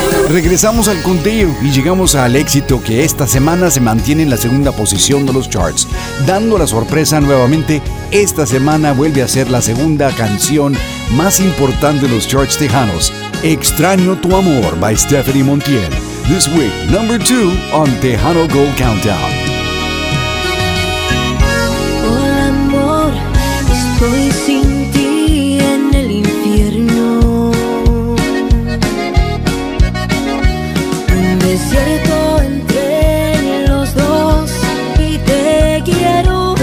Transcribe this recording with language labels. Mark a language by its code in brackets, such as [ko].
[es] Regresamos al conteo y llegamos al éxito que esta semana se mantiene en la segunda posición de los charts, dando la sorpresa nuevamente. Esta semana vuelve a ser la segunda canción más importante en los charts tejanos. Extraño tu amor by Stephanie Montiel. [en] This week, number two on Tejano Gold Countdown. [es] Hola amor, estoy sin ti en el infierno. Un desierto entre los dos y te quiero.